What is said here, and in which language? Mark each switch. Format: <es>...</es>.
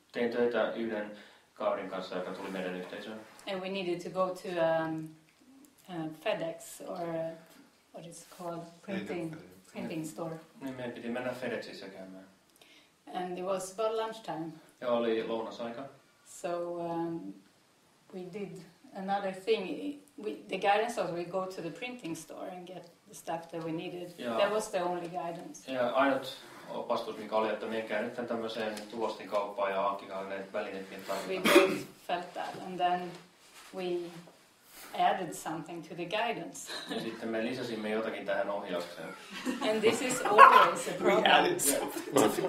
<fi>Tein töitä yhden kaverin kanssa, joka tuli meidän yhteisöön.</fi> <en>And we needed to go to FedEx or what is it called printing store.</en> <fi>Niin meidän piti mennä FedExissä käymään.</fi> <en>And it was about lunchtime.</en> <fi>Ja oli lounasaika.</fi> <en>So we did another thing. The guidance was we go to the printing store and get the stuff that we needed.</en> <fi>Ja.</fi> <en>That was the only guidance.</en> <fi>Yeah, ainut opastus, mikä oli, että me käy nyt tämmöiseen tulostin kauppaan ja hankikaan ne välineet, mitä tarvitaan.</fi> <en>We both felt that, and then we added something to the guidance.</en> <fi>Ja sitten me lisäsimme jotakin tähän ohjaukseen.</fi> <en>And this is always a problem. We added something to the</en>